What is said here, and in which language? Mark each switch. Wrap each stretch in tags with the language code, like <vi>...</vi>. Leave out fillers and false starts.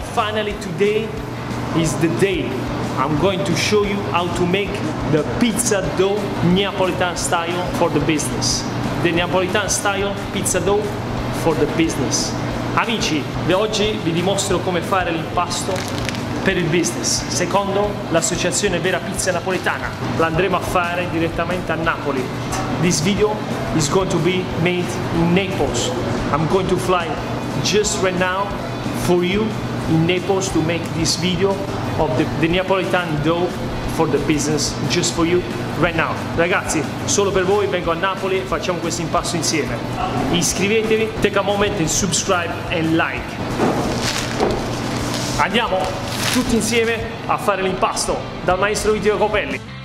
<en>Finally, today is the day I'm going to show you how to make the pizza dough Neapolitan style for the business. The Neapolitan style pizza dough for the business.</en> <it>Amici, oggi vi dimostro come fare l'impasto per il business. Secondo, l'associazione Vera Pizza Napoletana. L'andremo a fare direttamente a Napoli.</it> <en>This video is going to be made in Naples. I'm going to fly just right now for you in Naples to make this video of the Neapolitan dough for the business just for you right now.</en> <it>Ragazzi, solo per voi vengo a Napoli e facciamo questo impasto insieme. Iscrivetevi,</it> <en>take a moment and subscribe and like.</en> <it>Andiamo tutti insieme a fare l'impasto dal maestro Vito Iacopelli.</it>